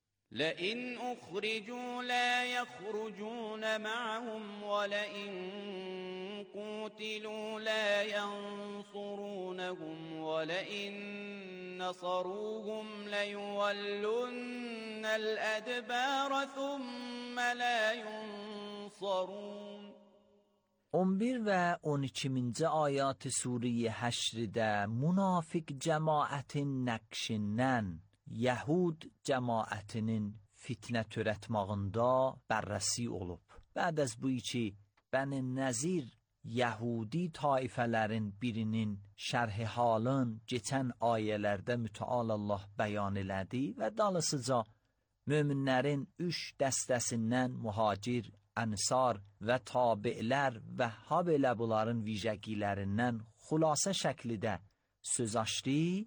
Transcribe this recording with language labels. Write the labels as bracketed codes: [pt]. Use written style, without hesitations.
[ar] لئن أخرجوا لا يخرجون معهم ولئن قوتلوا لا ينصرونهم ولئن نصروهم ليولن الأدبار ثم لا ينصرون. [az] 11 و 12 آيات سوره حشرده منافق جماعت نقشنن یهود جماعتنین fitnə törətmağında bərrəsi olub. Bəd əz bu içi, bəni nəzir Yahudi taifələrin birinin şərhi halın geçən ayələrdə mütəalallah bəyan elədi və dalısıca möminlərin üç dəstəsindən mühacir, ənsar və tabiələr və habelə bunların vicəqilərindən xülasə şəklidə söz açdı